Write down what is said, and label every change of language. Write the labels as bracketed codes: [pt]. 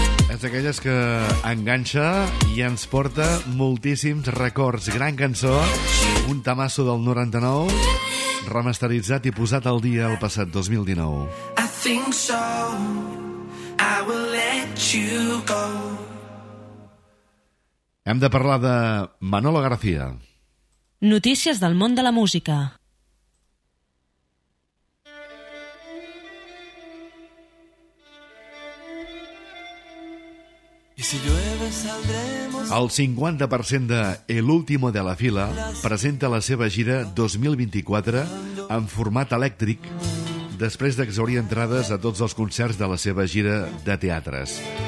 [ca] És d'aquelles que enganxa i ens porta moltíssims records. Gran cançó, un temasso del 99, remasteritzat i posat al dia el passat 2019. [en] I think so, I will let you go. [ca] Hem de parlar de Manolo García. Notícies del món de la música. [es] Y si llueve, saldremos... [ca] El 50% de El Último de la Fila presenta la seva gira 2024 en format elèctric després d'exhaurir entrades a tots els concerts de la seva gira de teatres.